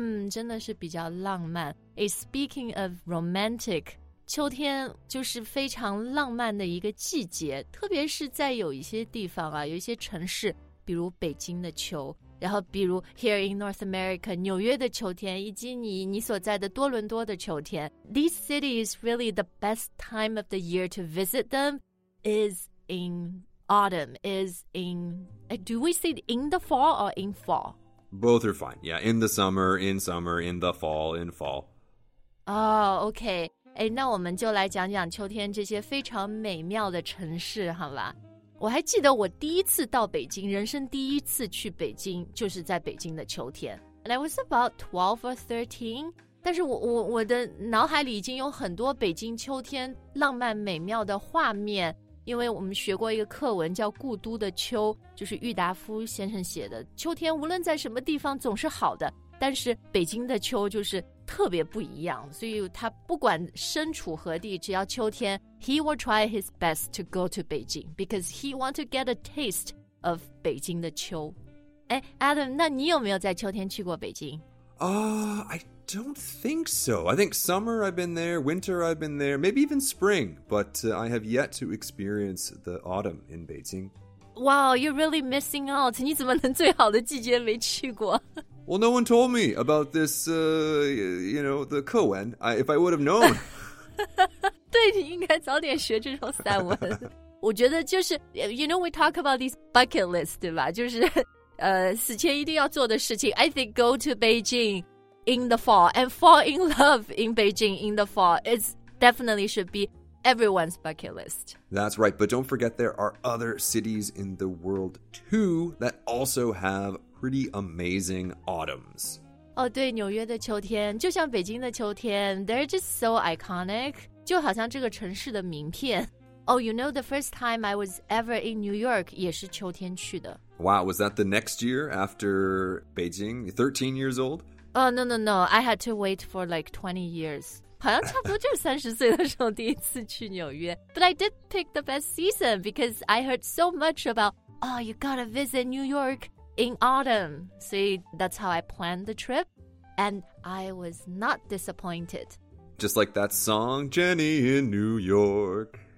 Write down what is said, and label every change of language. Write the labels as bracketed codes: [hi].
[zh] 真的是比较浪漫。 [en] Speaking of romantic, [zh] 秋天就是非常浪漫的一个季节，特别是在有一些地方啊，有一些城市，比如北京的秋，然后比如 [en] here in North America, [zh] 纽约的秋天，以及你所在的多伦多的秋天。 [en] These cities really the best time of the year to visit them is in autumn, is in, do we say in the fall or in fall? Both are fine. Yeah, in the summer, in summer, in the fall, in fall. Oh, okay. [zh] 哎，那我们就来讲讲秋天这些非常美妙的城市，好吧？我还记得我第一次到北京，人生第一次去北京，就是在北京的秋天。 [en] And I was about 12 or 13. [zh] 但是我的脑海里已经有很多北京秋天浪漫美妙的画面。因为我们学过一个课文叫《故都的秋》，就是郁达夫先生写的。秋天无论在什么地方总是好的，但是北京的秋就是特别不一样。所以他不管身处何地，只要秋天 [en] ，he will try his best to go to Beijing because he want to get a taste of [zh] 北京的秋。哎 ，Adam， 那你有没有在秋天去过北京？ [en] I don't think so. I think summer I've been there, winter I've been there, maybe even spring, but I have yet to experience the autumn in Beijing. Wow, you're really missing out. [zh] 你怎么能最好的季节没去过? [en] Well, no one told me about this, the [zh] 课文. [en] If I would have known. [zh] 对,你应该早点学这种散文。我觉得就是, [en] you know, we talk about these bucket lists, [zh] 对吧? 就是死前一定要做的事情 [en] I think go to Beijing in the fall and fall in love in Beijing in the fall it's definitely should be everyone's bucket list. That's right, but don't forget there are other cities in the world too that also have pretty amazing autumns. [zh] 哦，对，纽约的秋天就像北京的秋天 [en] they're just so iconic [zh] 就好像这个城市的名片。 [en] Oh, you know, the first time I was ever in New York, [zh] 也是秋天去的。 [en] Wow, was that the next year after Beijing? 13 years old? No. I had to wait for like 20 years. [zh] 好像差不多就是30岁的时候第一次去纽约。 [en] But I did pick the best season because I heard so much about, oh, you gotta visit New York in autumn. So that's how I planned the trip. And I was not disappointed. Just like that song, Jenny in New York.